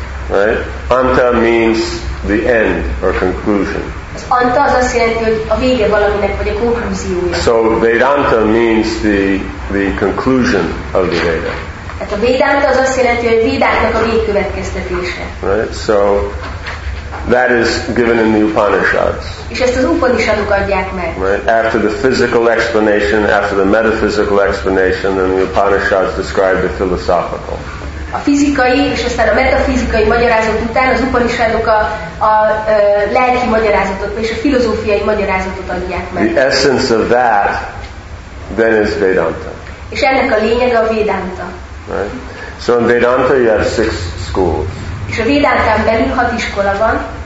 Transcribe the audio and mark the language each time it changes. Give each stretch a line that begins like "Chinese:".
English: Right? Anta means the end or conclusion.
Hungarian: Az anta az azt jelenti, hogy a vége valaminek, vagy a konklúziója.
English: So Vedanta means the conclusion of the Veda.
Hungarian: Tehát a Vedanta az azt jelenti, hogy a Vedának a végkövetkeztetése.
English: Right? So that is given in the Upanishads.
Hungarian: És ezt az Upanishadok adják meg.
English: Right? After the physical explanation, after the metaphysical explanation, then the Upanishads describe the philosophical.
Hungarian: A fizikai és aztán a metafizikai magyarázat után az Upanishadok a lelki magyarázatot és a filozófiai magyarázatot adják meg.
English: The essence of that then is Vedanta.
Hungarian: És ennek a lényege a Vedanta.
English: Right? So in Vedanta you have six schools.
Hungarian: És a Vedantán belül hat iskola van.